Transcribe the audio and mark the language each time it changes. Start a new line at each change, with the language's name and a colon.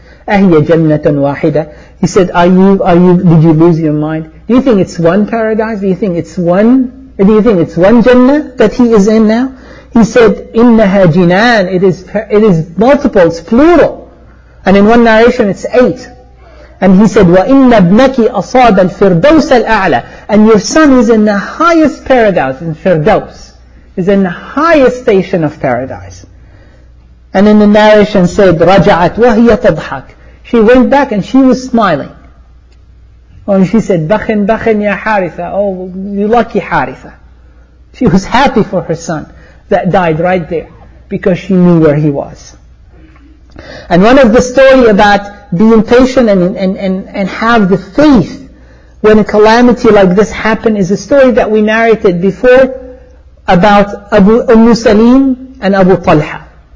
Arabic: Ahiya jannatan wahida?"
English: He said, did you lose your mind? Do you think it's one paradise? Do you think it's one jannah that he is in now? He said,
Arabic: "Innaha jinan."
English: It is multiple. It's plural. And in one narration, it's eight. And he said,
Arabic: "وَإِنَّ ابْنَكِ أَصَابَ الْفِرْدَوْسَ الْأَعْلَى."
English: And your son is in the highest paradise, in Firdaus. Is in the highest station of paradise. And in the narration said,
Arabic: "رَجَعَتْ وَهِيَ تَضْحَكْ."
English: She went back and she was smiling. And she said,
Arabic: "بَخِنْ بَخِنْ يَا حَارِثَ."
English: Oh, you lucky Haritha. She was happy for her son that died right there because she knew where he was. And one of the story about being patient and have the faith when a calamity like this happened is a story that we narrated before about Ummu Salim and Abu Talha.